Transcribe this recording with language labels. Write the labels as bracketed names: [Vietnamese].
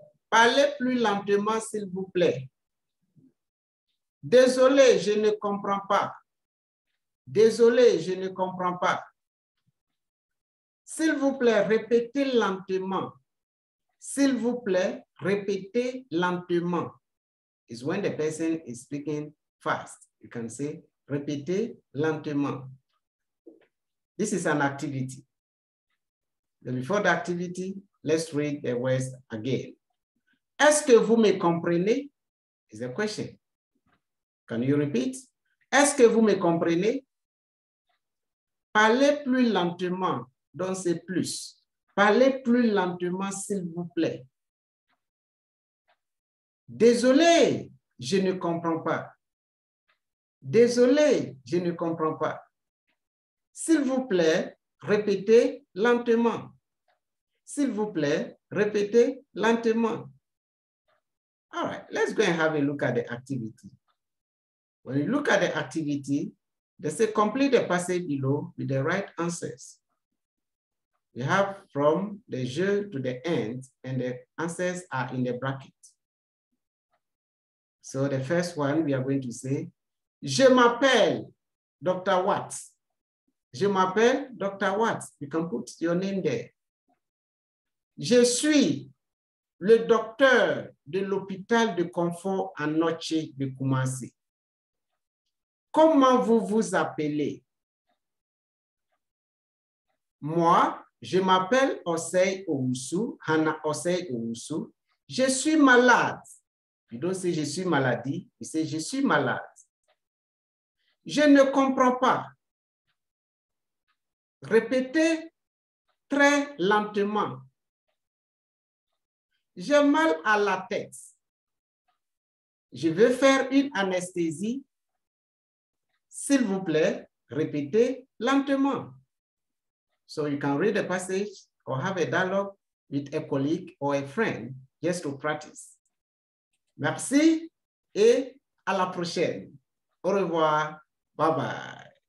[French] Parlez plus lentement, s'il vous plaît. Désolé, je ne comprends pas. Désolé, je ne comprends pas. S'il vous plaît, répétez lentement. S'il vous plaît, répétez lentement. [English] It's when the person is speaking fast. You can say, [French] répétez lentement. [English] This is an activity. Before the activity, let's read the words again. [French] Est-ce que vous me comprenez? [English] Is the question. Can you repeat? [French] Est-ce que vous me comprenez? Parlez plus lentement, donc c'est plus. Parlez plus lentement, s'il vous plaît. Désolé, je ne comprends pas. Désolé, je ne comprends pas. S'il vous plaît, répétez lentement. S'il vous plaît, répétez lentement. [English] All right, let's go and have a look at the activity. When you look at the activity, they say complete the passage below with the right answers. We have from the je to the end, and the answers are in the bracket. So the first one we are going to say, [French] je m'appelle Dr. Watts. Je m'appelle Dr. Watts. [English] You can put your name there. [French] Je suis le docteur de l'hôpital de confort à Noche de Kumasi. Comment vous vous appelez? Moi, je m'appelle Osei Owusu, Hana Osei Owusu. Je suis malade. [English] You don't say [French] je suis maladie, [English] you say [French] je suis malade. Je ne comprends pas. Répétez très lentement. J'ai mal à la tête. Je veux faire une anesthésie. S'il vous plaît, répétez lentement. [English] So you can read the passage or have a dialogue with a colleague or a friend just to practice. [French] Merci et à la prochaine. Au revoir. [English] Bye bye.